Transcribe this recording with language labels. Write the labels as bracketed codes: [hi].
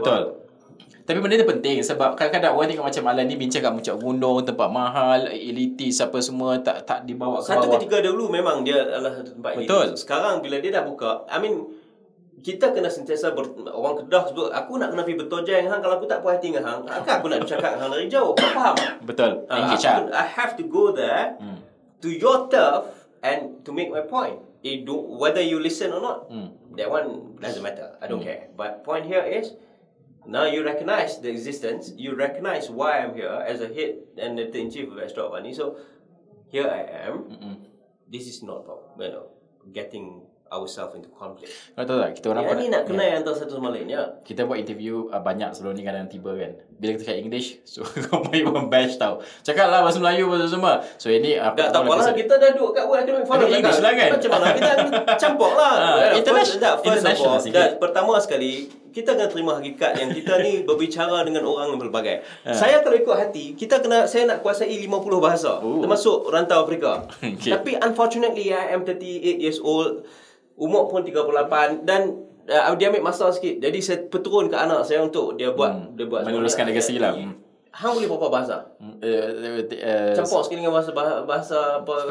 [ms] Betul. Tapi benda ni penting sebab kadang-kadang orang tengok macam Alan ni bincang kat Muncak Gunung, tempat mahal, elitis apa semua, tak dibawa ke satu bawah. Satu ketika dulu memang dia adalah tempat elitis. Betul. Sekarang bila dia dah buka, [en] I mean, [ms] kita kena sentiasa orang Kedah sebut, aku nak kena pergi betul jeng hang, kalau aku tak puas hati dengan hang, akan aku nak bercakap dengan hang dari jauh. Kau faham? Betul. [en] I have to go there to your turf and to make my point. Whether you listen or not, that one doesn't matter. I don't care. But point here is, now you recognize the existence, you recognize why I'm here as a head and the chief of Astro Avani. So here I am. This is not about, you know, getting ourselves into conflict. [ms] Tak. Kita orang pun ni nak kenal yang antara satu sama lain. Kita buat interview banyak sebelum ni kadang tiba kan. Bila kita cakap English, so kau main pun bash tau. Cakap lah bahasa Melayu pun semua. So ini apa? Tak apa lah, kita dah duduk kat World Economic Forum. English lah kan. Macam mana kita campur lah. [en] International. [ms] Dan pertama sekali, kita kena terima hakikat yang kita ni berbicara dengan orang yang berbagai. Saya kalau ikut hati, saya nak kuasai 50 bahasa. Termasuk rantau Afrika. Okay. Tapi [en] unfortunately, I am 38 years old. [ms] Umur pun 38. Dan dia ambil masa sikit. Jadi saya peturun ke anak saya untuk dia buat. Meneruskan legasi lah. Hang boleh berapa bahasa? Campur sikit dengan bahasa apa?